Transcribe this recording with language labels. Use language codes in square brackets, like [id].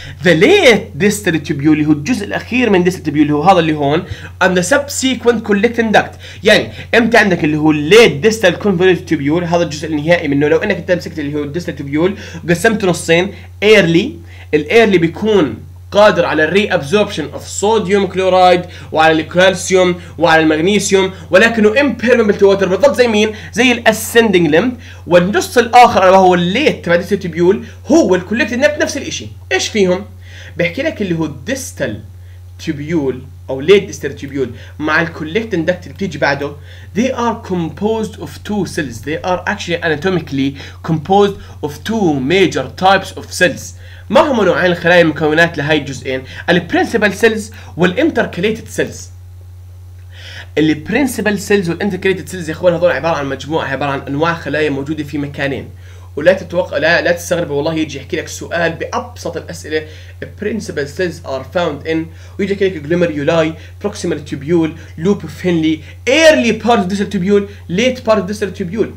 [en] The late distal tubule [ar] اللي هو الجزء الأخير من distal tubule اللي هو هذا اللي هون [en] and the subsequent collecting duct، [ar] يعني أنت عندك اللي هو late distal convoluted tubule هذا الجزء النهائي منه، لو إنك أنت مسكت اللي هو distal tubule وقسمته نصين early، الearly بيكون قادر على reabsorption of sodium chloride وعلى الكالسيوم وعلى المغنيسيوم ولكنه [en] impermeable to water [ar] بالضبط زي مين؟ زي الascending limb. والنص الآخر اللي هو late تبع distal tubule هو الكوليكتد نبت نفس الاشي. ايش فيهم؟ بحكي لك اللي هو [en] distal tubule او late distal tubule [ar] مع الكوليكتد نبت اللي بتيجي بعده [en] they are composed of two cells, they are actually anatomically composed of two major types of cells. [ar] ما هم نوعين الخلايا المكونات لهي الجزئين؟ البرنسبل سيلز والانتركليتد سيلز. البرنسبل سيلز والانتركليتد سيلز يا اخوان هذول عباره عن مجموعه، عباره عن انواع خلايا موجوده في مكانين. ولا تتوقع لا تستغرب والله يجي يحكي لك سؤال بابسط الاسئله [en] البرنسبل cells are found in, [ar] ويجي يحكي لك [en] glomeruli proximal tubule loop finally early part of distal tubule [ar] ليت بارت اوف ديستال تيبيول.